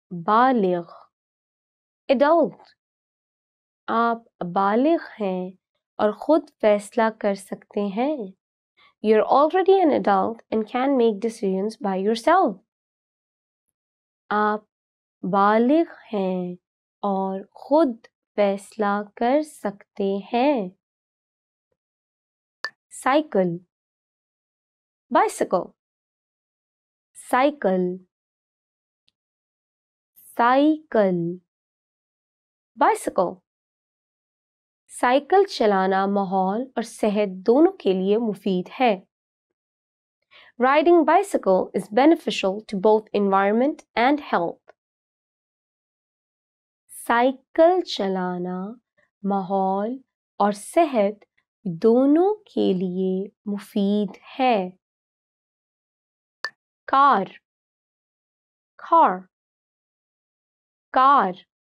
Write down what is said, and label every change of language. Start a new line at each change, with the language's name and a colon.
Urdu: Baligh.
English: Adult.
Urdu: Aap baligh hain aur khud faisla kar sakte hain
English: You're already an adult and can make decisions by yourself.
Urdu: आप बालिग हैं और खुद फैसला कर सकते हैं.
English: Cycle. Bicycle. Cycle. Cycle. Bicycle.
Urdu: Cycle चलाना माहौल और सेहत दोनों के लिए मुफीद है.
English: Riding bicycle is beneficial to both environment and health.
Urdu: Cycle चलाना माहौल और सेहत दोनों के लिए मुफीद है.
English: Car. Car. Car.